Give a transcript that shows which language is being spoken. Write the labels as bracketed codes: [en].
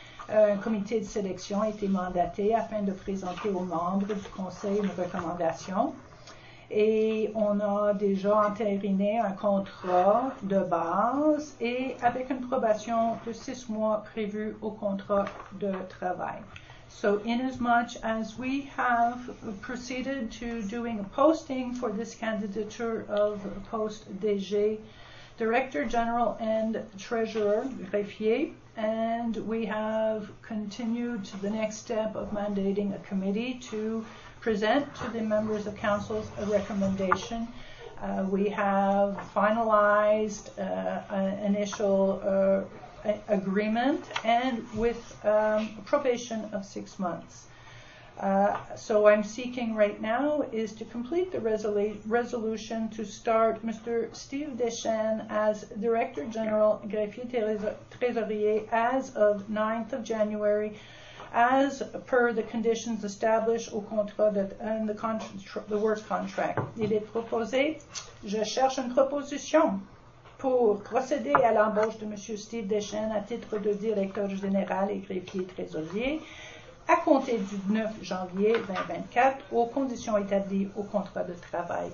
[fr] Un comité de sélection a été mandaté afin de présenter aux membres du conseil une recommandation. Et on a déjà entériné un contrat de base et avec une probation de 6 mois prévue au contrat de travail. [en] So inasmuch as we have proceeded to doing a posting for this candidature of post DG, Director General and Treasurer, Greffier, and we have continued to the next step of mandating a committee to present to the members of councils a recommendation. We have finalized an initial agreement and with probation of 6 months. So I'm seeking right now is to complete the resolution to start Mr. Steve Deschenes as Director General Greffier Trésorier as of 9th of January as per the conditions established [fr] au contrat [en] and the work contract. [fr] Il est proposé, je cherche une proposition pour procéder à l'embauche de M. Steve Deschenes à titre de directeur général et greffier trésorier à compter du 9 janvier 2024 aux conditions établies au contrat de travail.